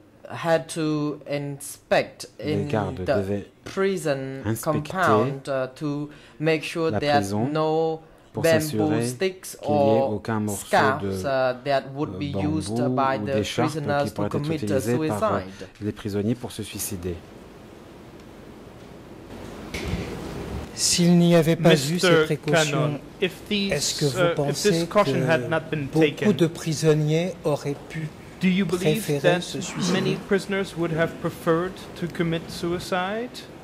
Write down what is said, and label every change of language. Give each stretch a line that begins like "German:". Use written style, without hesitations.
English: had to inspect in the prison compound to make sure there's no bamboo sticks or scarves that would be used by the prisoners to commit suicide.
French: Les prisonniers pour se suicider. S'il n'y avait pas eu ces précautions, est-ce que vous pensez que beaucoup de prisonniers auraient pu
English: do you believe that many prisoners would have preferred to commit suicide?